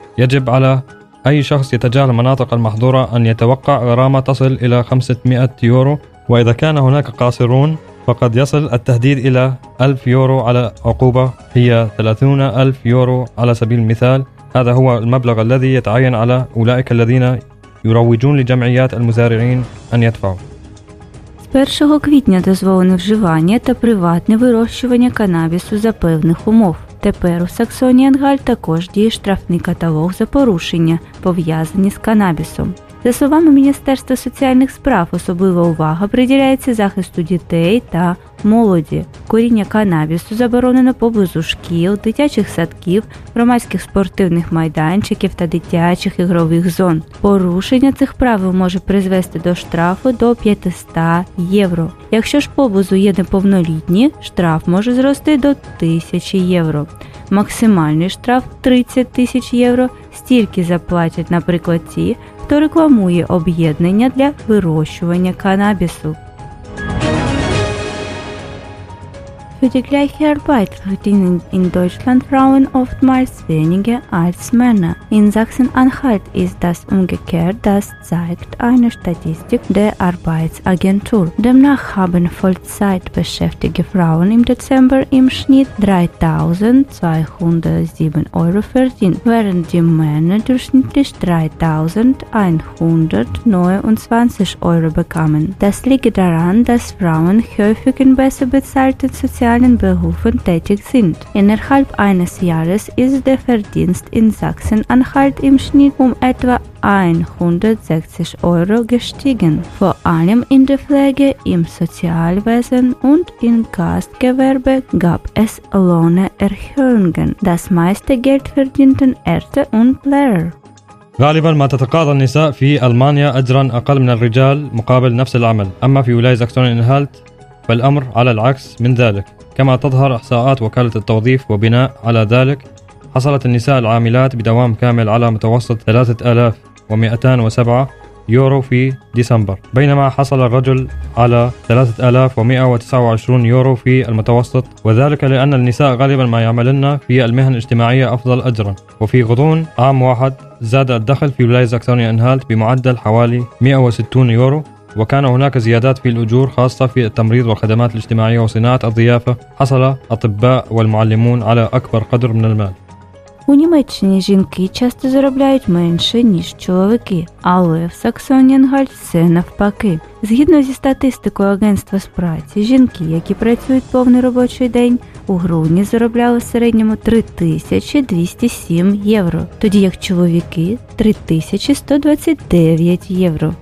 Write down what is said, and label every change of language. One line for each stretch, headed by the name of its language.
Arabic: يجب على أي شخص يتجاهل المناطق المحظورة أن يتوقع غرامة تصل إلى 500 يورو وإذا كان هناك قاصرون فقد يصل التهديد إلى 1000 يورو على عقوبة هي 30000 يورو على سبيل المثال هذا هو المبلغ الذي يتعين على أولئك الذين يروجون لجمعيات المزارعين أن يدفعوا
Ukrainian: 1 квітня дозволено вживання та приватне вирощування канабісу за певних умов. Тепер у Саксонії-Анхальт також діє штрафний каталог за порушення, пов'язані з канабісом. За словами Міністерства соціальних справ, особлива увага приділяється захисту дітей та молоді. Коріння канабісу заборонено поблизу шкіл, дитячих садків, громадських спортивних майданчиків та дитячих ігрових зон. Порушення цих правил може призвести до штрафу до 500 євро. Якщо ж поблизу є неповнолітні, штраф може зрости до 1000 євро. Максимальний штраф – 30 тисяч євро. Стільки заплатять, наприклад, ті, хто рекламує об'єднання для вирощування канабісу.
German: Für die gleiche Arbeit verdienen in Deutschland Frauen oftmals weniger als Männer. In Sachsen-Anhalt ist das umgekehrt, das zeigt eine Statistik der Arbeitsagentur. Demnach haben vollzeitbeschäftigte Frauen im Dezember im Schnitt 3.207 Euro verdient, während die Männer durchschnittlich 3.129 Euro bekamen. Das liegt daran, dass Frauen häufig in besser bezahlten sozialen Berufen tätig sind. Innerhalb eines Jahres ist der Verdienst in Sachsen-Anhalt im Schnitt um etwa 160 Euro gestiegen, vor allem in der Pflege, im Sozialwesen und im Gastgewerbe gab es Lohnerhöhungen. Das meiste Geld verdienten Ärzte und Lehrer.
Arabic: غالبا ما تتقاضى النساء في ألمانيا أجرا أقل من الرجال مقابل نفس العمل. أما في ولاية ساكسون-أنهالت فالأمر على العكس من ذلك. كما تظهر إحصاءات وكالة التوظيف وبناء على ذلك حصلت النساء العاملات بدوام كامل على متوسط 3207 يورو في ديسمبر بينما حصل الرجل على 3129 يورو في المتوسط وذلك لأن النساء غالبا ما يعملن في المهن الاجتماعية أفضل أجرا وفي غضون عام واحد زاد الدخل في ولاية ساكسون-أنهالت بمعدل حوالي 160 يورو وكان هناك زيادات في الأجور خاصة في التمريض والخدمات الاجتماعية وصناعة الضيافة حصل أطباء والمعلمون على أكبر قدر من المال.
Ukrainian: У Німеччині жінки часто заробляють менше, ніж чоловіки, але в Саксоні-Анхальт все навпаки. Згідно зі статистикою Агентства з праці, жінки, які працюють повний робочий день, у грудні заробляли в середньому 3207 євро, тоді як чоловіки – 3129 євро.